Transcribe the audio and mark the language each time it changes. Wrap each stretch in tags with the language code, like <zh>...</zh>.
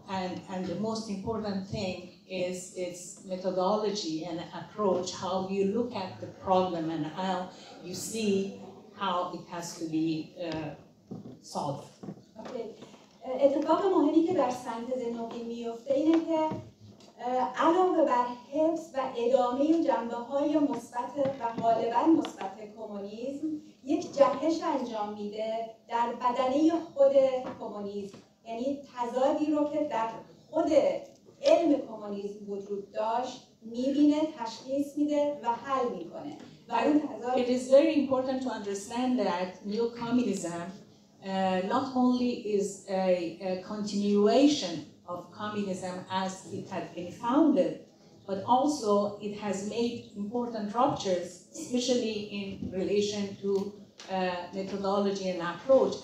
<en>And the most important thing is its methodology and approach, how you look at the problem and how you see how it has to be solved. Okay.</en> <fa>اتفاق مهمی که در سنتز نوگی میفته اینه که علاوه بر حفظ و ادامه جنبه های مثبت و غالبا مثبت کمونیسم، یک جهش انجام میده در بدنه خود کمونیسم. یعنی تضادی رو که در خود علم کمونیسم وجود داشت میبینه، تشخیص میده و حل میکنه.</fa> <en>It is very important to understand that neo-communism not only is a continuation of communism as it had been founded, but also it has made important ruptures, especially in relation to methodology and approach.</en>